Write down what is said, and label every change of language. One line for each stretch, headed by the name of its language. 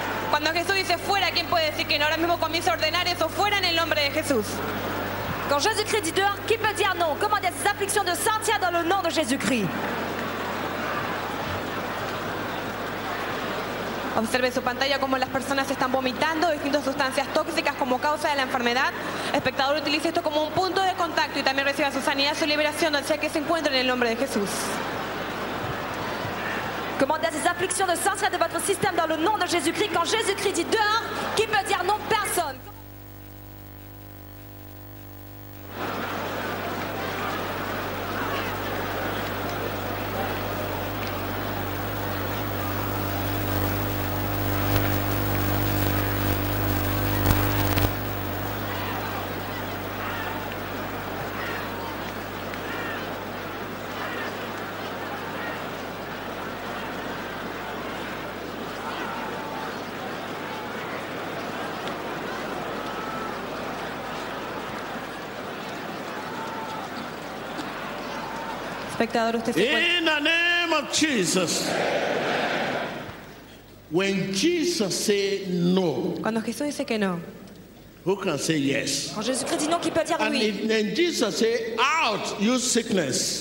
Spanish: Cuando Jesús dice fuera, ¿quién puede decir que no? Ahora mismo comienza a ordenar eso fuera en el nombre de Jesús. Cuando
French: Jésus-Christ dit dehors,
Spanish: ¿quién puede decir no?
French: Commandez ces afflictions de sortir dans le nom de Jésus-Christ.
Spanish: Observe su pantalla como las personas están vomitando distintas sustancias tóxicas como causa de la enfermedad. Espectador, utilice esto como un punto de contacto y también reciba su sanidad, su liberación, donde sea que se encuentre en el nombre de Jesús.
French: commandez à ces afflictions de sortir de votre système dans le nom de Jésus-Christ. Quand Jésus-Christ dit dehors, qui peut dire non? Personne.
English: In the name of Jesus. When Jesus say no.
Spanish: Cuando Jesús dice que no.
English: Who can say yes?
Spanish: Cuando Jesucristo dice no, ¿quién puede decir sí?
English: And Jesus say out, you sickness.